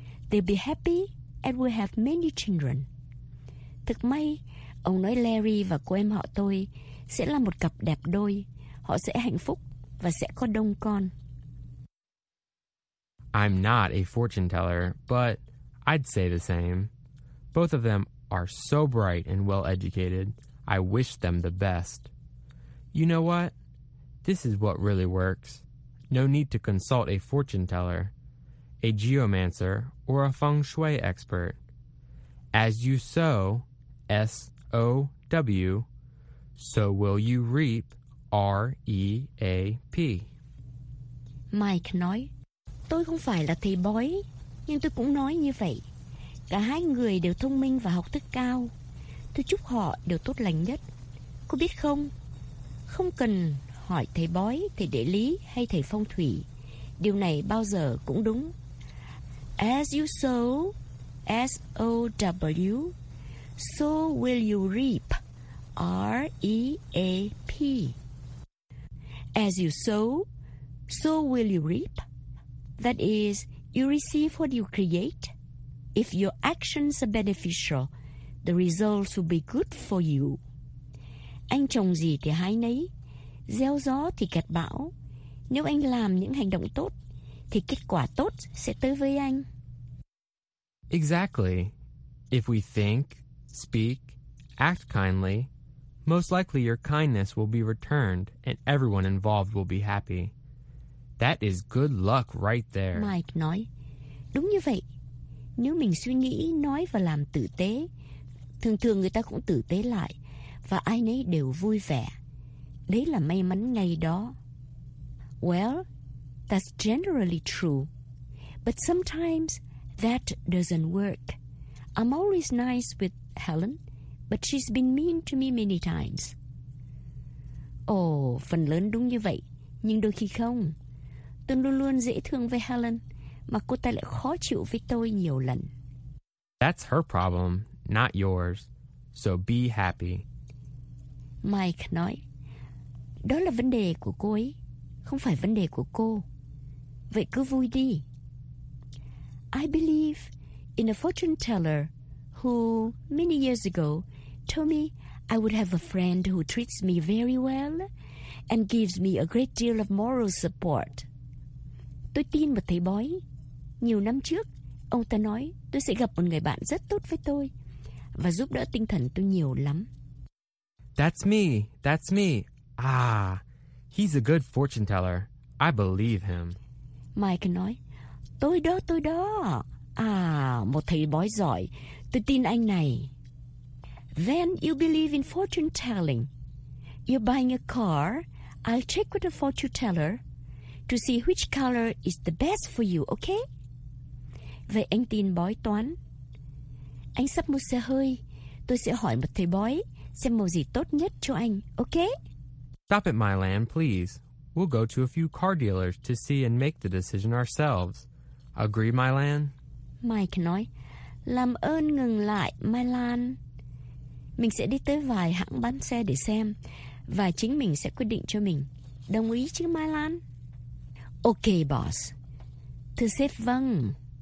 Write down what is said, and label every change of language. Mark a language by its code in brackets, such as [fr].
[en] They'll be happy and will have many children. [vi] Thực may, ông nói Larry và cô em họ tôi sẽ là một cặp đẹp đôi. Họ sẽ hạnh phúc và sẽ có đông con. [en] I'm not a fortune teller, but I'd say the same. Both of them are so bright and well-educated. I wish them the best. You know what? This is what really works. No need to consult a fortune teller, a geomancer, or a feng shui expert. As you sow, S-O-W, so will you reap, R-E-A-P. [vi] Mike nói, tôi không phải là thầy bói, nhưng tôi cũng nói như vậy. Cả hai người đều thông minh và học thức cao. Tôi chúc họ đều tốt lành nhất. Cô biết không? Không cần hỏi thầy bói, thầy địa lý hay thầy phong thủy. Điều này bao giờ cũng đúng. [en] As you sow, S-O-W, so will you reap, R-E-A-P. As you sow, so will you reap. That is, you receive what you create. If your actions are beneficial, the results will be good for you. [vi] Anh trồng gì thì hái nấy, gieo gió thì gặt bão. Nếu anh làm những hành động tốt, thì kết quả tốt sẽ tới với anh. [en] Exactly. If we think, speak, act kindly, most likely your kindness will be returned and everyone involved will be happy. That is good luck right there. [vi] Mike nói, đúng như vậy. Nếu mình suy nghĩ, nói và làm tử tế, thường thường người ta cũng tử tế lại và ai nấy đều vui vẻ. Đấy là may mắn ngay đó. [en] Well, that's generally true. But sometimes that doesn't work. I'm always nice with Helen, but she's been mean to me many times. [vi] Oh, phần lớn đúng như vậy, nhưng đôi khi không. Tôi luôn luôn dễ thương với Helen, mà cô ta lại khó chịu với tôi nhiều lần. [en] That's her problem, not yours. So be happy. [vi] Mike nói, đó là vấn đề của cô ấy, không phải vấn đề của cô. Vậy cứ vui đi. [en] I believe in a fortune teller who, many years ago, told me I would have a friend who treats me very well and gives me a great deal of moral support. [vi] Tôi tin một thầy bói. Nhiều năm trước, ông ta nói tôi sẽ gặp một người bạn rất tốt với tôi và giúp đỡ tinh thần tôi nhiều lắm. [en] That's me. Ah, he's a good fortune teller. I believe him. [vi] Mike nói, tôi đó. À, một thầy bói giỏi. Tôi tin anh này. [en] Then you believe in fortune telling. You're buying a car. I'll check with a fortune teller to see which color is the best for you, okay? [vi] Vậy anh tin bói toán. Anh sắp mua xe hơi. Tôi sẽ hỏi một thầy bói xem màu gì tốt nhất cho anh, okay? [en] Stop at my land, please. We'll go to a few car dealers to see and make the decision ourselves. Agree, my land? [vi] Mike nói, làm ơn ngừng lại, Mylan. Mình sẽ đi tới vài hãng bán xe để xem, và chính mình sẽ quyết định cho mình. Đồng ý chứ, Mylan? [en] Okay, boss. [vi] Thưa sếp, vâng.